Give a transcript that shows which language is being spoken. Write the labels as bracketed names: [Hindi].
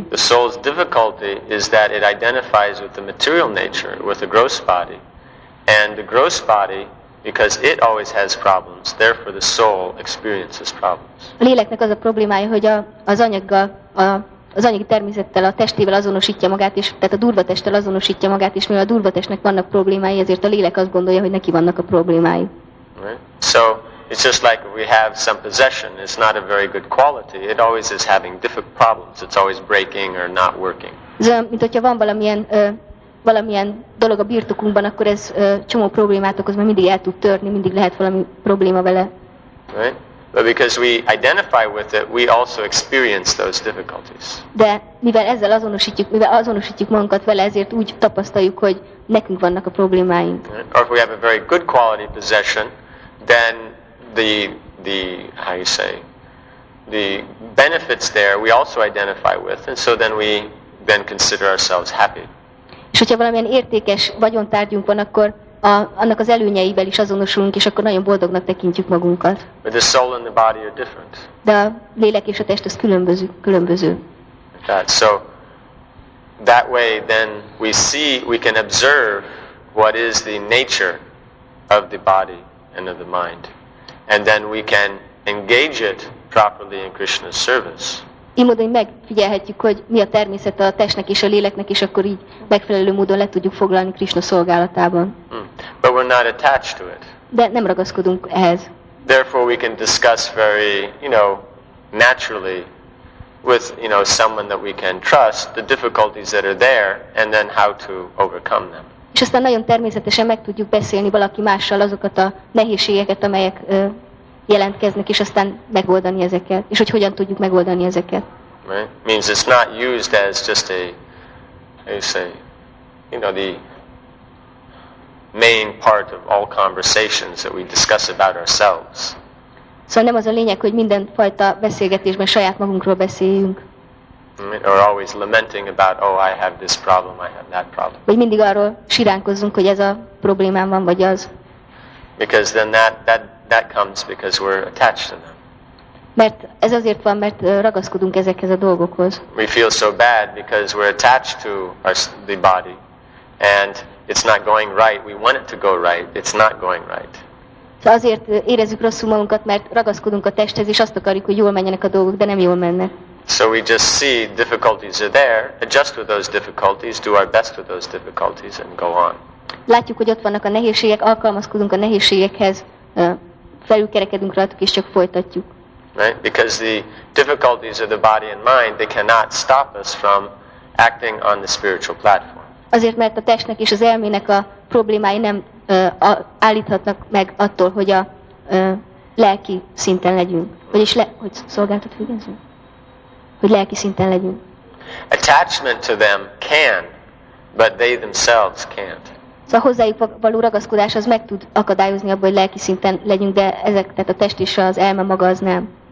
[English] The soul's difficulty is that it identifies with the material nature, with the gross body. And the gross body, because it always has problems, therefore the soul experiences problems. [Hungarian] A léleknek az a problémája, hogy az anyagi természettel, a testével azonosítja magát, és tehát a durva testtel azonosítja magát, és mivel a durva testnek vannak problémái, ezért a lélek azt gondolja, hogy neki vannak a problémái. [English] Right. So it's just like we have some possession, it's not a very good quality, it always is having difficult problems, it's always breaking or not working. [Hungarian] Mint hogyha van valamilyen dolog a birtokunkban, akkor ez csomó problémát okoz, mert mindig el tud törni, mindig lehet valami probléma vele. [English] Right. But because we identify with it, we also experience those difficulties. [Hungarian] De mivel ezzel azonosítjuk magunkat vele, ezért úgy tapasztaljuk, hogy nekünk vannak a problémáink. [English] Or if we have a very good quality possession, then the how you say, the benefits there we also identify with, and so then we then consider ourselves happy. [Hungarian] És hogyha valamilyen értékes vagyontárgyunk van, akkor annak az előnyeivel is azonosulunk, és akkor nagyon boldognak tekintjük magunkat. [English] But the soul and the body are different. [Hungarian] De a lélek és a test az különböző. [English] That. So that way then we see, we can observe what is the nature of the body and of the mind. And then we can engage it properly in Krishna's service. [Hungarian] Így módon megfigyelhetjük, hogy mi a természet a testnek és a léleknek, és akkor így megfelelő módon le tudjuk foglalni Krishna szolgálatában. [English] But we're not attached to it. [Hungarian] De nem ragaszkodunk ehhez. [English] Therefore we can discuss very, you know, naturally with, you know, someone that we can trust the difficulties that are there and then how to overcome them. [Hungarian] És aztán nagyon természetesen meg tudjuk beszélni valaki mással azokat a nehézségeket, amelyek jelentkeznek, és aztán megoldani ezeket, és hogy hogyan tudjuk megoldani ezeket. [English] Right? Means it's not used as just a, how you say, you know, the main part of all conversations that we discuss about ourselves. [Hungarian] Szóval nem az a lényeg, hogy minden fajta beszélgetésben saját magunkról beszéljünk. [English] Or always lamenting about, oh, I have this problem, I have that problem. [Hungarian] Vagy mindig arról siránkozzunk, hogy ez a problémám van, vagy az. [English] Because then that comes because we're attached to them. [Hungarian] Mert ez azért van, mert ragaszkodunk ezekhez a dolgokhoz. [English] We feel so bad because we're attached to the body. And it's not going right. We want it to go right. It's not going right. [Hungarian] Azért érezzük rosszul magunkat, mert ragaszkodunk a testhez, és azt akarjuk, hogy jól menjenek a dolgok, de nem jól mennek. [English] So we just see difficulties are there, adjust with those difficulties, do our best with those difficulties, and go on. [Hungarian] Látjuk, hogy ott vannak a nehézségek, alkalmazkodunk a nehézségekhez, felülkerekedünk rajtuk, és csak folytatjuk. [English] Right? Because the difficulties of the body and mind, they cannot stop us from acting on the spiritual platform. [Hungarian] Azért, mert a testnek és az elmének a problémái nem állíthatnak meg attól, hogy a lelki szinten legyünk. Vagyis, hogy szolgáltat végezzünk? Hogy lelki szinten legyünk. [English] Attachment to them can, but they themselves can't. [Hungarian] Szóval hozzájuk való ragaszkodás az meg tud akadályozni abban, hogy lelki szinten legyünk, de ezek, tehát a test és az elme maga az nem.